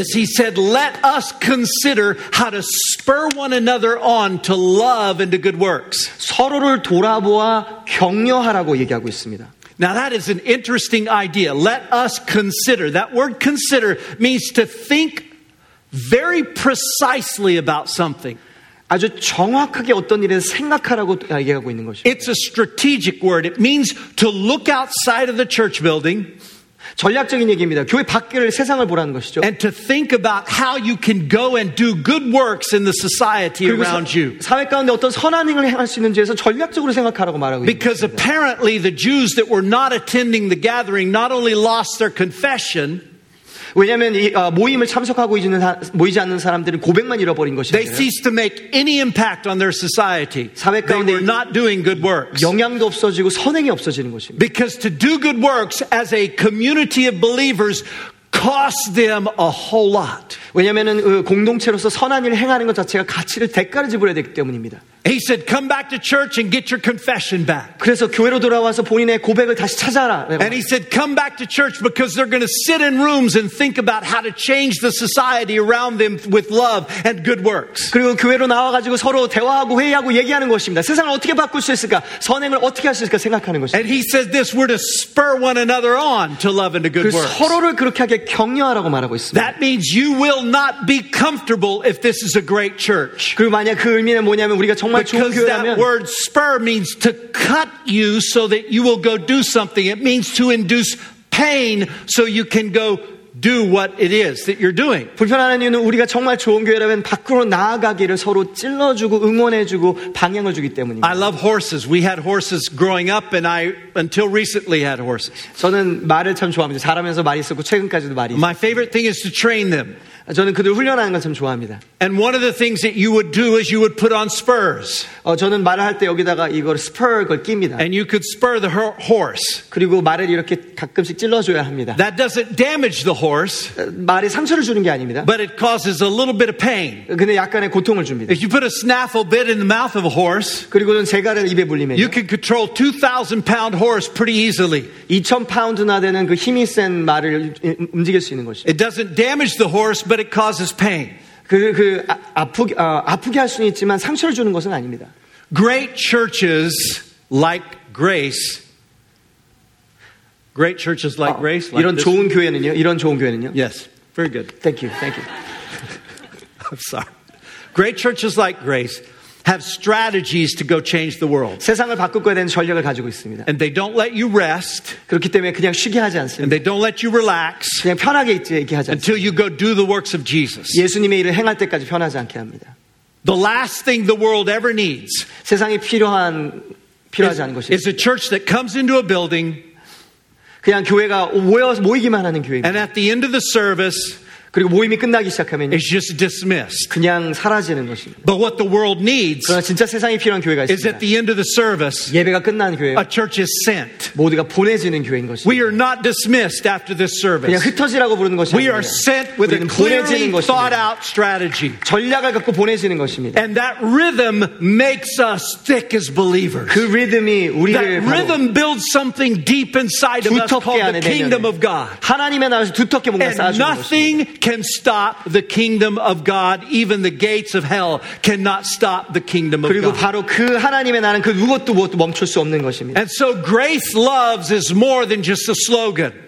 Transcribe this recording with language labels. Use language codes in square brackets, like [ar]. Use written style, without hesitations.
[en] As he said, "Let us consider how to spur one another on to love and to good works." [ko] 서로를 돌아보아 격려하라고 얘기하고 있습니다. [en] Now that is an interesting idea. Let us consider. That word "consider" means to think very precisely about something. [ko] 아주 정확하게 어떤 일을 생각하라고 얘기하고 있는 것이죠. [en] It's a strategic word. It means to look outside of the church building. [ko] 전략적인 얘기입니다. 교회 밖을 세상을 보라는 것이죠. [en] And to think about how you can go and do good works in the society around you. [ko] 사회 가운데 어떤 선한 행을 할 수 있는지에서 전략적으로 생각하라고 말하고 있습니다. [en] Because apparently the Jews that were not attending the gathering not only lost their confession. [ko] 왜냐하면 모임을 참석하고 있는 모이지 않는 사람들은 고백만 잃어버린 것이에요. [en] They ceased to make any impact on their society. [ko] 사회 가운데 [en] they were not doing good works. [ko] 영향도 없어지고 선행이 없어지는 것입니다. [en] Because to do good works as a community of believers cost them a whole lot. [ko] 왜냐하면은 공동체로서 선한 일을 행하는 것 자체가 가치를 대가를 지불해야 되기 때문입니다. [en] He said, "Come back to church and get your confession back." [ko] 그래서 교회로 돌아와서 본인의 고백을 다시 찾아라. [en] And he said, "Come back to church because they're going to sit in rooms and think about how to change the society around them with love and good works." [ko] 그리고 교회로 나와 가지고 서로 대화하고 회의하고 얘기하는 것입니다. 세상을 어떻게 바꿀 수 있을까? 선행을 어떻게 할 수 있을까 생각하는 것입니다. [en] And he says, "This we're to spur one another on to love and to good works." [ko] 서로를 그렇게 하게 격려하라고 말하고 있습니다. [en] That means you will not be comfortable if this is a great church. [ko] 그리고 만약 그 의미는 뭐냐면 우리가 정말 [en] Because that word spur means to cut you so that you will go do something. It means to induce pain so you can go do what it is that you're doing. [ko] 불편한 이유는 우리가 정말 좋은 교회라면 밖으로 나아가기를 서로 찔러주고 응원해주고 방향을 주기 때문입니다. [en] I love horses. We had horses growing up and I until recently had horses. [ko] 저는 말을 참 좋아합니다. 자라면서 말이 있었고 최근까지도 말이 있어요. [en] My favorite thing is to train them. [ko] 저는 그들 훈련하는 걸 참 좋아합니다. [en] And one of the things that you would do is you would put on spurs. [ko] 저는 말을 할 때 여기다가 이걸 스퍼를 낍니다. [en] And you could spur the horse. [ko] 그리고 말을 이렇게 가끔씩 찔러줘야 합니다. [en] That doesn't damage the horse. [ko] 말이 상처를 주는 게 아닙니다. [en] But it causes a little bit of pain. [ko] 근데 약간의 고통을 줍니다. [en] If you put a snaffle bit in the mouth of a horse. [ko] 그리고는 재갈을 입에 물리면 [en] You can control 2,000 pound horse pretty easily. [ko] 2,000 파운드나 되는 그 힘이 센 말을 움직일 수 있는 것이. [en] It doesn't damage the horse. But it causes pain. [ko] 아프게 할 수는 있지만 상처를 주는 것은 아닙니다. [en] Great churches like Grace. Great churches like Grace. Like [ko] 이런 좋은 교회는요? 이런 좋은 교회는요? [en] Yes. Very good. Thank you. Thank you. I'm sorry. Great churches like Grace have strategies to go change the world. [ko] 세상을 바꿀 거에 대한 전략을 가지고 있습니다. [en] And they don't let you rest. [ko] 그렇기 때문에 그냥 쉬게 하지 않습니다. [en] And they don't let you relax. [ko] 그냥 편하게 있게 하지 않습니다. [en] Until you go do the works of Jesus. [ko] 예수님의 일을 행할 때까지 편하지 않게 합니다. [en] The last thing the world ever needs. [ko] 세상이 필요하지 않은 것이 [en] is a church that comes into a building. [ko] 그냥 교회가 모이기만 하는 교회입니다. [en] And at the end of the service, [ko] 그리고 모임이 끝나기 시작하면 [en] is just dismissed. [ko] 그냥 사라지는 것입니다. [en] But what the world needs [ko] 그러나 진짜 세상이 필요한 교회가 있습니다. [en] Is at the end of the service, [ko] 예배가 끝난 교회예요. [en] A church is sent. [ko] 모두가 보내지는 교회인 것입니다. [en] We are not dismissed after this service. [ko] 그냥 흩어지라고 부르는 것이 아니라 [en] We are sent with a clearly thought out strategy. [ko] 전략을 갖고 보내지는 것입니다. [en] And that rhythm makes us thick as believers. [ko] 그 리듬이 우리를 [en] That rhythm builds something deep inside of us called the kingdom of God. [ko] 하나님의 나라에서 두텁게 뭔가 쌓아주는 것입니다. [en] Can stop the kingdom of God. Even the gates of hell cannot stop the kingdom of God. [ko] 그리고 바로 그 하나님의 나는 그 무엇도 멈출 수 없는 것입니다. [en] And so grace loves is more than just a slogan.